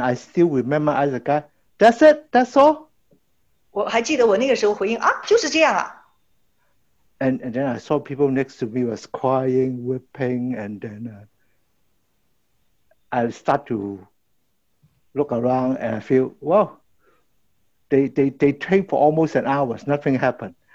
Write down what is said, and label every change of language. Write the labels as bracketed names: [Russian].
[English] I still remember as a guy, that's it, that's all. [Chinese] 我还记得我那个时候回应啊，就是这样啊。And [English] then I saw people next to me was crying, weeping, and then I start to look around and I feel, wow, they trained for almost an hour, nothing happened.